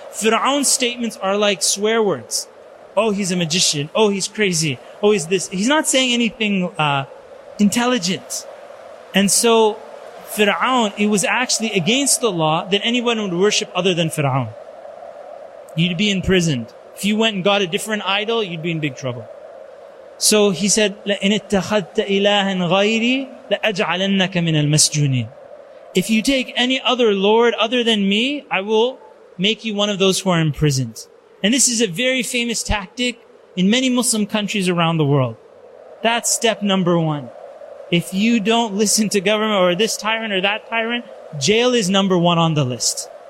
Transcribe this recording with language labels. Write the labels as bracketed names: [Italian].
[English] Fir'aun's statements are like swear words. Oh, he's a magician. Oh, he's crazy. Oh, he's this. He's not saying anything, intelligent. And so, Fir'aun, it was actually against the law that anyone would worship other than Fir'aun. You'd be imprisoned. If you went and got a different idol, you'd be in big trouble. So he said, [Arabic] لَإِنْ اتَّخَذْتَ إِلَٰهًا غَيْرِي لَأَجْعَلَنَّكَ مِنَ الْمَسْجُونِينَ. [English] If you take any other Lord other than me, I will make you one of those who are imprisoned. And this is a very famous tactic in many Muslim countries around the world. That's step number one. If you don't listen to government or this tyrant or that tyrant, jail is number one on the list.